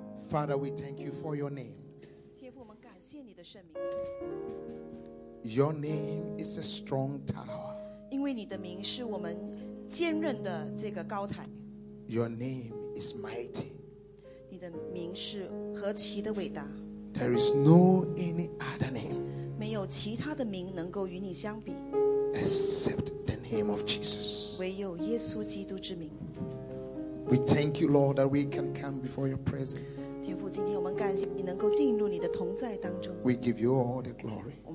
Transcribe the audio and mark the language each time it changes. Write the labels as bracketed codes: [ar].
[en] Father, we thank you for your name. [zh] 天父, 我们感谢你的圣名。 [en] Your name is a strong tower. [zh] 因为你的名是我们坚韧的这个高台。 [en] Your name is mighty. [zh] 你的名是何其的伟大。 [en] There is no any other name. [zh] 没有其他的名能够与你相比。 [en] Except the name of Jesus. [zh] 唯有耶稣基督之名。 [en] We thank you, Lord, that we can come before your presence. [zh] 天父, [en] we give you all the glory.